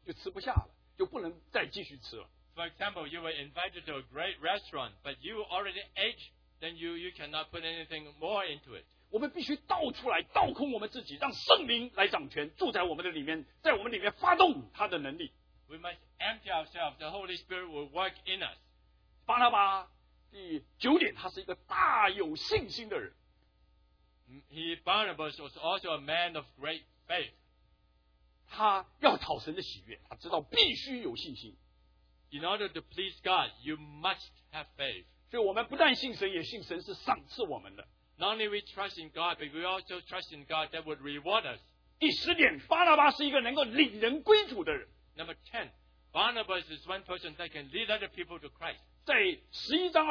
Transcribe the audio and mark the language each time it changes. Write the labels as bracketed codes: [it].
[zh] 就好像你去餐馆要吃东西，人家请了很好吃的东西，但是你已经饱了，就吃不下了，就不能再继续吃了。 [en] For example, you were invited to a great restaurant, but you already ate, then you cannot put anything more into it. [zh] 我们必须倒出来，倒空我们自己，让圣灵来掌权，住在我们的里面，在我们里面发动他的能力。 [en] We must empty ourselves, the Holy Spirit will work in us. [zh] 巴拿巴, 第九点, 他是一个大有信心的人。 [en] Barnabas was also a man of great faith. [zh] 他要讨神的喜悦, 他知道必须有信心。 [en] In order to please God, you must have faith. [zh] 所以我们不但信神, 也信神是赏赐我们的。 [en] Not only we trust in God, but we also trust in God that would reward us. [zh] 第十点, 巴拿巴是一个能够领人归主的人。 [en] Number 10, Barnabas is one person that can lead other people to Christ.